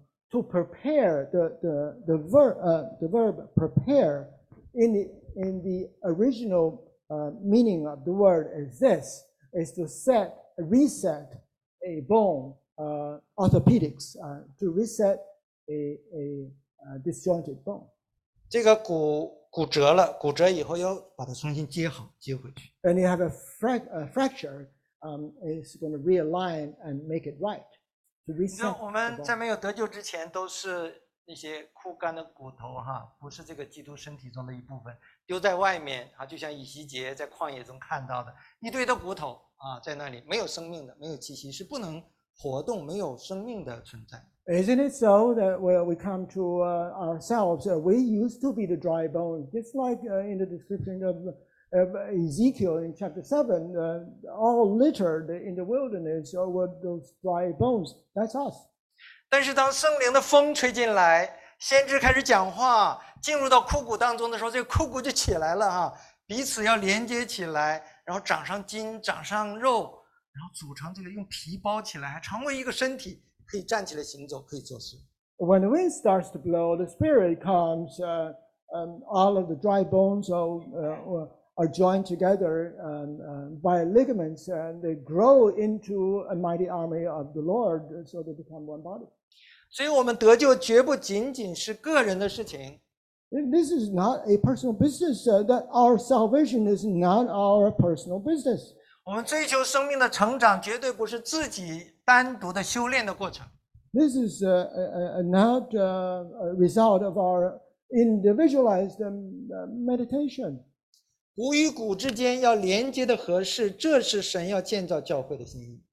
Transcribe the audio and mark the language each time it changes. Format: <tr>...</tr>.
<en>To prepare the verb prepare in the original meaning of the word is this is to set reset a bone orthopedics to reset a disjointed bone.</en> <zh>这个骨折了，骨折以后要把它重新接好，接回去。</zh> <en>And you have a fracture, it's going to realign and make it right.</en> <zh>我们在没有得救之前都是那些枯干的骨头哈，不是这个基督身体中的一部分，丢在外面啊，就像以西结在旷野中看到的一堆的骨头啊，在那里没有生命的，没有气息，是不能活动、没有生命的存在。</zh> <en>Isn't it so that we come to ourselves? We used to be the dry bones, just like in the description of Ezekiel in chapter 7, all littered in the wilderness with those dry bones, that's us.</en> <zh>但是当圣灵的风吹进来，先知开始讲话，进入到枯骨当中的时候，这个枯骨就起来了哈，彼此要连接起来，然后长上筋，长上肉，然后组成这个用皮包起来，还成为一个身体，可以站起来行走，可以做事。</zh> <en>When the wind starts to blow, the spirit comes, all of the dry bones are joined together by ligaments, and they grow into a mighty army of the Lord, so they become one body.</en> <zh>所以我们得救绝不仅仅是个人的事情。</zh> <en>This is not a personal business. That our salvation is not our personal business.</en> <zh>我们追求生命的成长，绝对不是自己单独的修炼的过程。</zh> <en>This is not a result of our individualized meditation.</en> <zh>古与古之间要连接的合适，这是神要建造教会的心意。</zh>